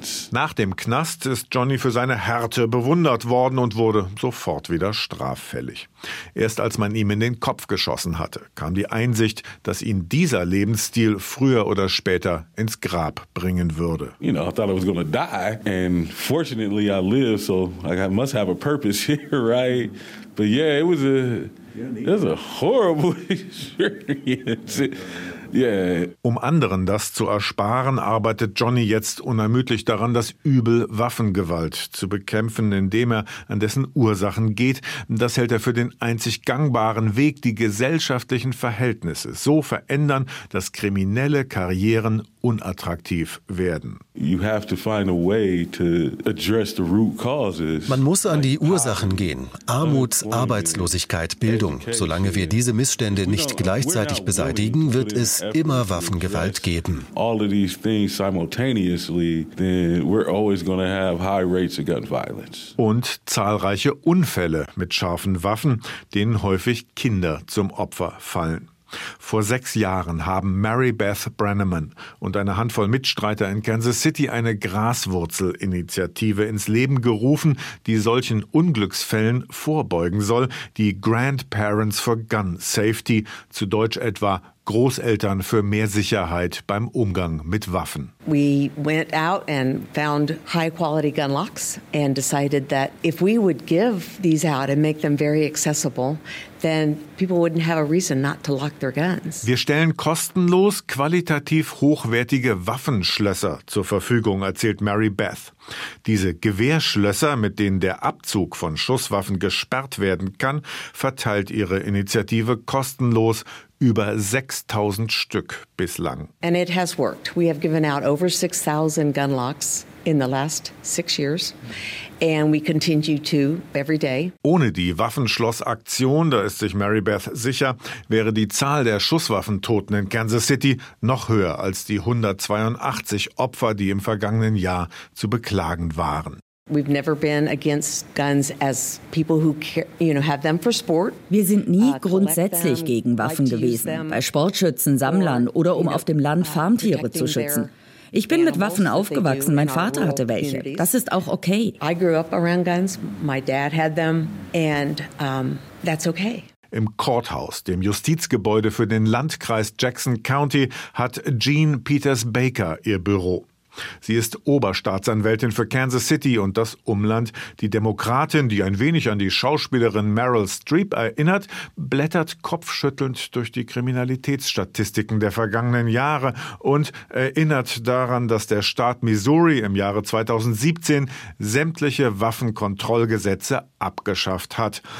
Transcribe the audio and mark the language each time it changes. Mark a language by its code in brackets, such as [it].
[de] Nach dem Knast ist Johnny für seine Härte bewundert worden und wurde sofort wieder straffällig. Erst als man ihm in den Kopf geschossen hatte, kam die Einsicht, dass ihn dieser Lebensstil früher oder später ins Grab bringen würde. [en] You know, I thought I was gonna die, and fortunately I lived, so I must have a purpose here, right? But yeah, it was a horrible experience. Yeah. [de] Um anderen das zu ersparen, arbeitet Johnny jetzt unermüdlich daran, das Übel Waffengewalt zu bekämpfen, indem er an dessen Ursachen geht. Das hält er für den einzig gangbaren Weg, die gesellschaftlichen Verhältnisse so verändern, dass kriminelle Karrieren unattraktiv werden. [en] You have to find a way to address the root causes. [de] Man muss an die Ursachen gehen. Armut, Arbeitslosigkeit, Bildung. Solange wir diese Missstände nicht gleichzeitig beseitigen, wird es immer Waffengewalt geben. [en] All of these things simultaneously, then we're always going to have high rates of gun violence. [de] Und zahlreiche Unfälle mit scharfen Waffen, denen häufig Kinder zum Opfer fallen. Vor 6 Jahren haben Mary Beth Brenneman und eine Handvoll Mitstreiter in Kansas City eine Graswurzel-Initiative ins Leben gerufen, die solchen Unglücksfällen vorbeugen soll, die Grandparents for Gun Safety, zu Deutsch etwa Großeltern für mehr Sicherheit beim Umgang mit Waffen. [en] We went out and found high quality gun locks and decided that if we would give these out and make them very accessible, then people wouldn't have a reason not to lock their guns. [de] Wir stellen kostenlos qualitativ hochwertige Waffenschlösser zur Verfügung, erzählt Mary Beth. Diese Gewehrschlösser, mit denen der Abzug von Schusswaffen gesperrt werden kann, verteilt ihre Initiative kostenlos. Über 6.000 Stück bislang. [en] And it has worked. We have given out over 6.000 gun locks in the last 6 years. And we continue to every day. [de] Ohne die Waffenschlossaktion, da ist sich Mary Beth sicher, wäre die Zahl der Schusswaffentoten in Kansas City noch höher als die 182 Opfer, die im vergangenen Jahr zu beklagen waren. [en] We've never been against guns as people who care, you know, have them for sport. [de] Wir sind nie grundsätzlich gegen Waffen gewesen, bei Sportschützen, Sammlern oder um auf dem Land Farmtiere zu schützen. Ich bin mit Waffen aufgewachsen, mein Vater hatte welche. Das ist auch okay. [en] I grew up around guns, my dad had them and that's okay. [de] Im Courthouse, dem Justizgebäude für den Landkreis Jackson County, hat Jean Peters-Baker ihr Büro. Sie ist Oberstaatsanwältin für Kansas City und das Umland. Die Demokratin, die ein wenig an die Schauspielerin Meryl Streep erinnert, blättert kopfschüttelnd durch die Kriminalitätsstatistiken der vergangenen Jahre und erinnert daran, dass der Staat Missouri im Jahre 2017 sämtliche Waffenkontrollgesetze abgeschafft hat.